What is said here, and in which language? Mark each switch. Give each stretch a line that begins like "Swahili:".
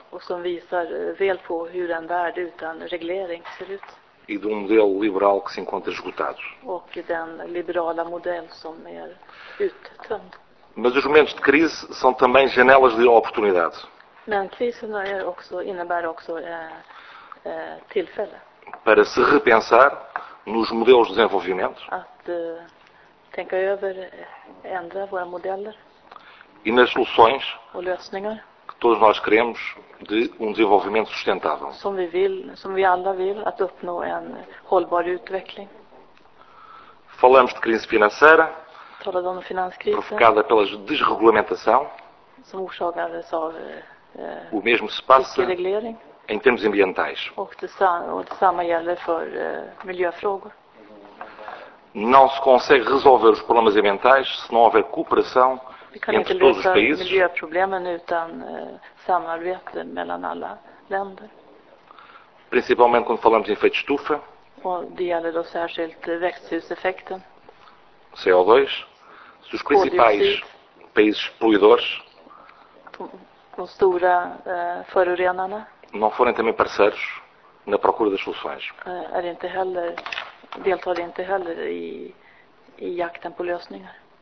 Swedish: Och som visar väl på hur en värld utan reglering ser ut.
Portuguese: E de um modelo liberal que se encontra esgotado.
Swedish: Och den liberala modell som är uttömd.
Portuguese: Mas os momentos de crise são também janelas de oportunidade.
Swedish: Men krisen är också innebär också tillfälle.
Portuguese: Para se repensar nos modelos de desenvolvimento.
Swedish: Att tänka över ändra våra modeller.
Portuguese: E nas soluções
Swedish: och lösningar
Portuguese: que todos nós queremos de um desenvolvimento sustentável.
Swedish: Som vi vill, som vi alla vill att uppnå en hållbar utveckling.
Portuguese: Falamos de crise financeira.
Swedish: Talade om den finanskrisen.
Portuguese: Provocada pela desregulamentação.
Swedish: Som orsakades av
Portuguese: o mesmo se passa em termos ambientais.
Swedish: Och detsamma gäller för miljöfrågor.
Portuguese: Não se consegue resolver os problemas ambientais se não houver cooperação entre todos os países.
Swedish: Vi kan inte lösa miljöproblemen utan samarbete mellan alla länder.
Portuguese: Principalmente quando falamos em efeito de estufa.
Swedish: Och det gäller då särskilt växthuseffekten.
Portuguese: CO2. Se os principais países poluidores.
Swedish: De stora förorenarna.
Portuguese: Não forem também parceiros na procura das soluções.
Swedish: Är inte heller, deltar inte heller i jakten på lösningar.